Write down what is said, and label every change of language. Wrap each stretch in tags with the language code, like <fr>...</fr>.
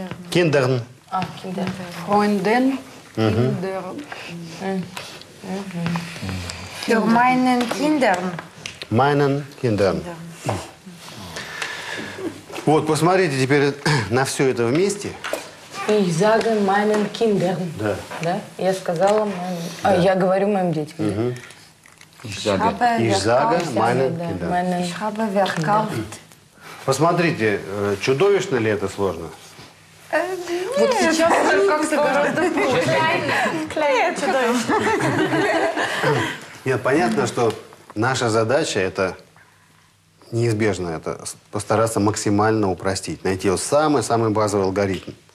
<de>Kindern. Kindern. Freunden. Kindern. Meinen Kindern. Meinen Kindern.</de> <ru>Вот, посмотрите теперь на все это вместе.</ru> <de>Ich sage meinen Kindern.</de> <ru>Да. Да? Я сказала моим... Да. А, я говорю моим детям. Угу.</ru> <de>Ich sage meinen Kindern. Ich habe verkauft.</de> <ru>Посмотрите, чудовищно ли это сложно? Вот сейчас уже как-то гораздо проще. Нет, чудовищно. Нет, понятно, что наша задача, это неизбежно, это постараться максимально упростить, найти самый-самый базовый алгоритм.</ru>